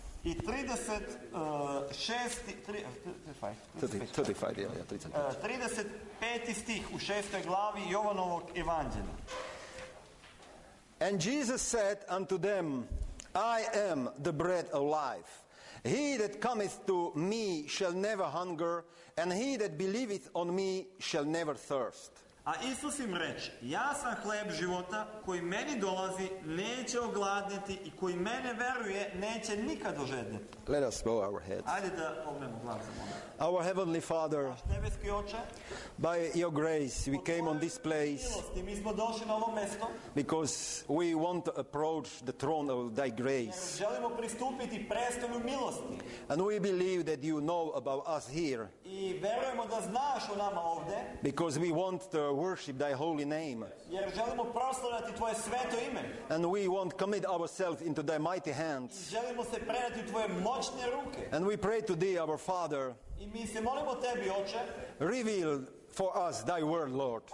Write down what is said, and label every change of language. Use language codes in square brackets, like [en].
[sr] I 35 stih u 6. glavi Jovanovog evanđelja. [en] And Jesus said unto them, I am the bread of life. He that cometh to me shall never hunger, and he that believeth on me shall never thirst. [sr] A Isus im reče, ja sam hleb života, koji meni dolazi neće ogladniti i koji mene veruje neće nikad ožedniti. [en] Let us bow our heads. [sr] Ajde da pognemo glave. [en] Our heavenly Father, [sr] Oče, [en] by your grace we came on this place [sr] milosti, na ovo mesto, [en] because we want to approach the throne of thy grace. [sr] Želimo pristupiti prestolu milosti. [en] And we believe that you know about us here [sr] i verujemo da znaš o nama ovde, [en] because we want to worship thy holy name. [sr] Jer želimo proslaviti tvoje sveto ime. [en] And we want to commit ourselves into thy mighty hands. [sr] I želimo se predati u tvoje moćne ruke. [en] And we pray to thee, our Father, [sr] i mi se molimo tebi, Oče, [en] reveal for us thy word, Lord.